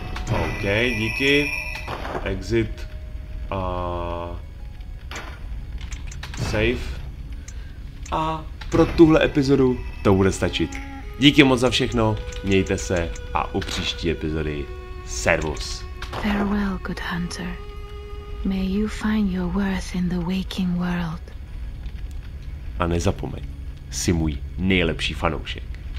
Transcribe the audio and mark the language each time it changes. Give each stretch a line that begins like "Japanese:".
Czech: OK, díky. Exit. A... Save. A pro tuhle epizodu to bude stačit. Díky moc za všechno, mějte se a u příští epizody servus.
English: Farewell, good hunter. May you find your worth in the waking world.
Czech: A nezapomeň, jsi můj nejlepší fanoušek.